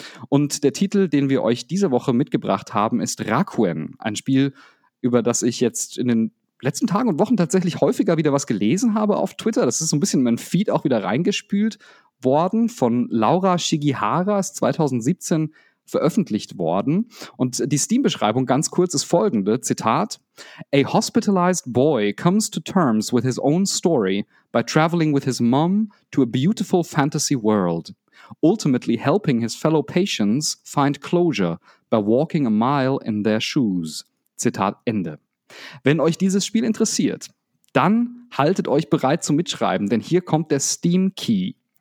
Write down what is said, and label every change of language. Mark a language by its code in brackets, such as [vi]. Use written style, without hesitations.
[de] Und der Titel, den wir euch diese Woche mitgebracht haben, ist Raquen. Ein Spiel, über das ich jetzt in den letzten Tagen und Wochen tatsächlich häufiger wieder was gelesen habe auf Twitter. Das ist so ein bisschen in mein Feed auch wieder reingespült worden. Von Laura Shigihara, ist 2017 veröffentlicht worden. Und die Steam-Beschreibung ganz kurz ist folgende, Zitat: [en] A hospitalized boy comes to terms with his own story by traveling with his mom to a beautiful fantasy world, ultimately helping his fellow patients find closure by walking a mile in their shoes. [de] Zitat Ende. Wenn euch dieses Spiel interessiert, dann haltet euch bereit zum Mitschreiben, denn hier kommt der Steam Key.